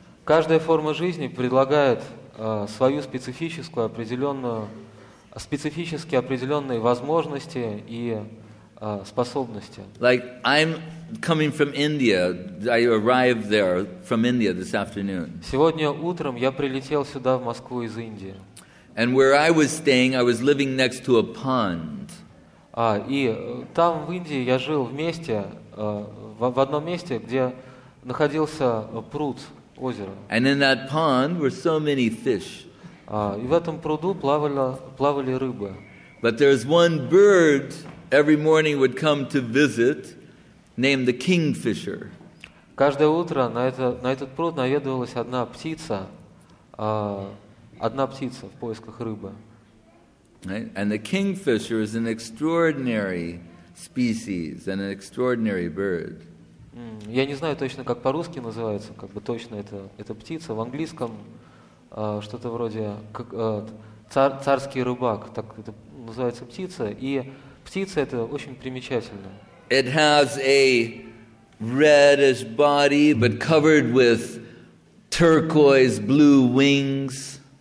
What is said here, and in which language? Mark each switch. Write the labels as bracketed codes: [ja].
[ru] Каждая форма жизни предлагает свою специфическую определенную, специфически определенные возможности и способности. [en] Like I'm coming from India. I arrived there from India this afternoon. [ru] Сегодня утром я прилетел сюда в Москву из Индии. [en] And where I was staying, I was living next to a pond. [ru] И там в Индии я жил вместе в одном месте, где находился пруд, озеро. [en] And in that pond were so many fish. [ru] И в этом пруду плавали рыбы. [en] But there is one bird every morning would come to visit, named the kingfisher. [ru] Каждое утро на этот пруд наведывалась одна птица в поисках рыбы. [en] Right? And the kingfisher is an extraordinary species and an extraordinary bird. [ru] Я не знаю точно, как по-русски называется, как бы точно это птица. В английском что-то вроде царский рыбак, так это называется птица. И птица эта очень примечательна. [en] It has a reddish body, but covered with turquoise blue wings.